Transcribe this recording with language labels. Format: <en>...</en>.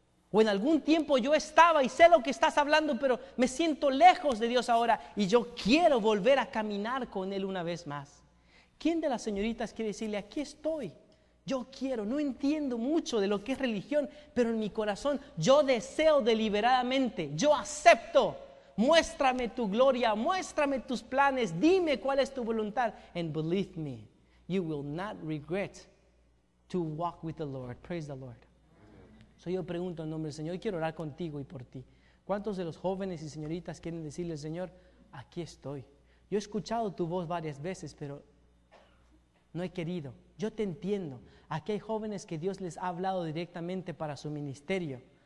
<es>O en algún tiempo yo estaba y sé lo que estás hablando, pero me siento lejos de Dios ahora y yo quiero volver a caminar con Él una vez más. ¿Quién de las señoritas quiere decirle, aquí estoy, yo quiero, no entiendo mucho de lo que es religión, pero en mi corazón yo deseo deliberadamente, yo acepto, muéstrame tu gloria, muéstrame tus planes, dime cuál es tu voluntad?</es> <en>And believe me, you will not regret to walk with the Lord. Praise the Lord.</en> <es>So yo pregunto en nombre del Señor, y quiero orar contigo y por ti. ¿Cuántos de los jóvenes y señoritas quieren decirle al Señor, aquí estoy? Yo he escuchado tu voz varias veces, pero no he querido. Yo te entiendo. Aquí hay jóvenes que Dios les ha hablado directamente para su ministerio.</es>